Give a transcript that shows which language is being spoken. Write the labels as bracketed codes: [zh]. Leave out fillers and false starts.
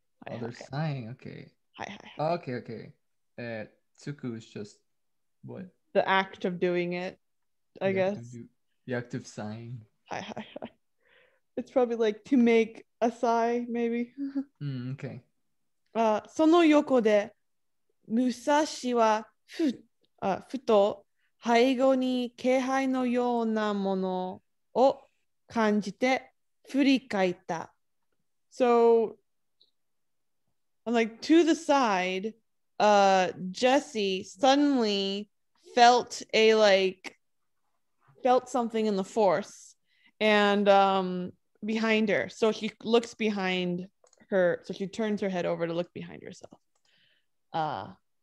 [en] Oh, they're sighing. Okay. Hi, hi. Okay, okay. Tsuku is just what? The act of doing it, I guess. The act of sighing. Hi, hi, hi. It's probably like to make a sigh, maybe. Okay. [ja] その横で武蔵はふと背後に気配のようなものを感じて振り返った。 [en] So, I'm like, to the side, Jesse suddenly felt a, like, felt something in the force and behind her. So she looks behind her. So she turns her head over to look behind herself.